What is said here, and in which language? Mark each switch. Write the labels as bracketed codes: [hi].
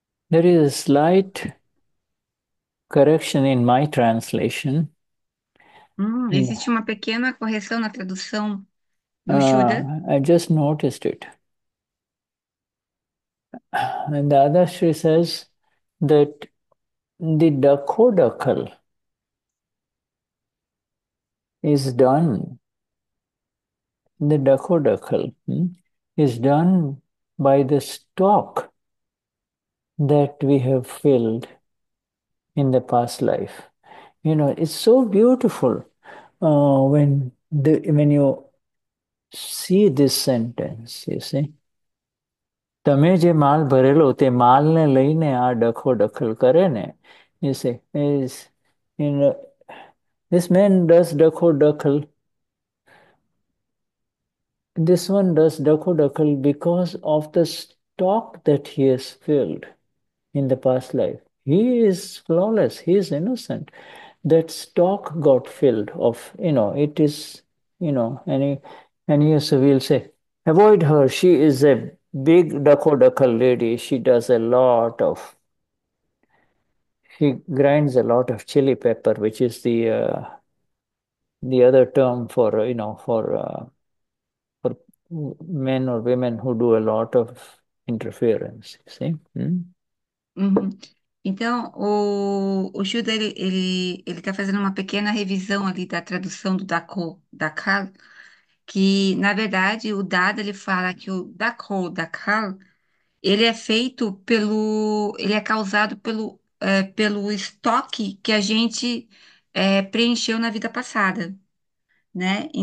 [en] There is a slight correction in my translation. [pt] Existe uma pequena correção na tradução do Shuddha. [en] I just noticed it. And the other Shri says that the dakodakal is done. The dakodakal is done by the stock that we have filled in the past life. You know, it's so beautiful when you see this sentence, you see. [gu] તમે જે માલ ભરેલો તે માલને લઈને આ ડખો ડખલ કરે ને [en] You see is you know this man does ડખો ડખલ this one does ડખો ડખલ because of the stock that he has filled in the past life he is flawless he is innocent that stock got filled of you know it is you know any you see will say avoid her she is a big dakodakal lady. She does a lot of, she grinds a lot of chili pepper, which is the other term for, you know, for men or women who do a lot of interference, you see. [pt] Então, o Judah, ele está fazendo uma pequena revisão ali da tradução do Dako, Dakal, que, na verdade, o Dada, ele fala que o Dako, Dakal, ele é feito pelo, ele é causado pelo estoque que a gente preencheu na vida passada, né?